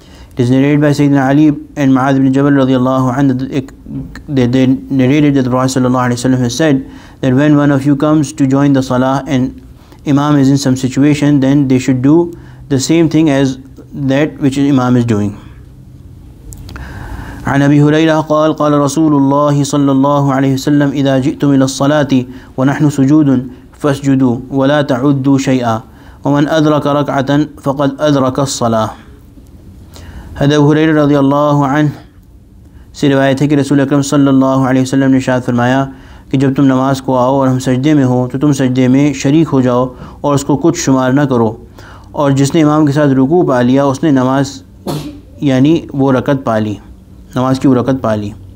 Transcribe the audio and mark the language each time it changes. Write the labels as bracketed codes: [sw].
[en] It is narrated by Sayyidina Ali and Ma'ad ibn Jabal radiallahu anhu, they narrated that the Prophet sallallahu alayhi wa sallam has said that when one of you comes to join the salah and imam is in some situation, then they should do the same thing as that which imam is doing. [ar] عن ابي هريره قال قال رسول الله صلى الله عليه وسلم اذا جئتم الى الصلاه ونحن سجود فاسجدوا ولا تعدوا شيئا ومن ادرك ركعه فقد ادرك الصلاه. [ur] حضرت ابو ہریرہ رضی اللہ عنہ سے روایت ہے کہ رسول اکرم صلی اللہ علیہ وسلم نے ارشاد فرمایا کہ جب تم نماز کو آؤ اور ہم سجدے میں ہو تو تم سجدے میں شریک ہو جاؤ اور اس کو کچھ شمار نہ کرو, اور جس نے امام کے ساتھ رکوع پا لیا اس نے نماز یعنی وہ رکعت پا لی, نماز کی وہ رکعت پا لی.